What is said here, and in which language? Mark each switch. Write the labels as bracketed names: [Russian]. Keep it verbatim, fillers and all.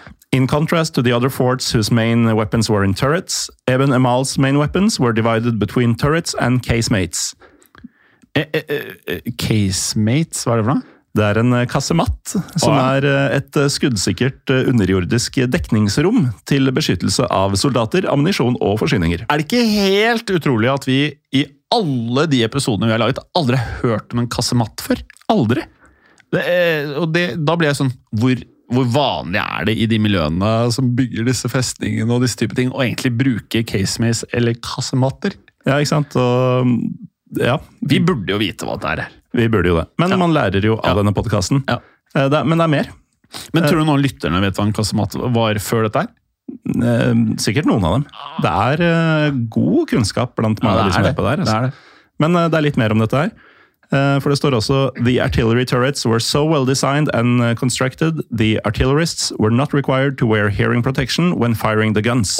[English] In contrast to the other forts whose main weapons were in turrets, Eben Emael's main weapons were divided between turrets and casemates. [Norwegian] Eh, eh, eh, casemates, hva er det for noe? Det er en kassematt, som ah, ja. er et skuddsikkert underjordisk dekningsrom til beskyttelse av soldater, ammunisjon og forsyninger. Er det ikke helt utrolig at vi i alle de episodene vi har laget aldri har hørt om en kassematt før? Aldri! Det er, og det, da blir jeg sånn, hvor, hvor vanlig er det i de miljøene som bygger disse festningene og disse type ting, og egentlig bruker casemates eller kassematter? Ja, ikke sant? Og... Ja. Vi burde jo vite hva det er. Vi burde jo det. Men ja. Man lærer jo av ja. denne podcasten. Ja. Det er, men det er mer. Men tror du noen lytterne vet hva en kassematt var før dette her? Sikkert noen av dem. Det er god kunnskap blant mange av de som er på der. Det er det. Men det er litt mer om dette her. For det står også [English] The artillery turrets were so well designed and constructed the artillerists were not required to wear hearing protection when firing the guns.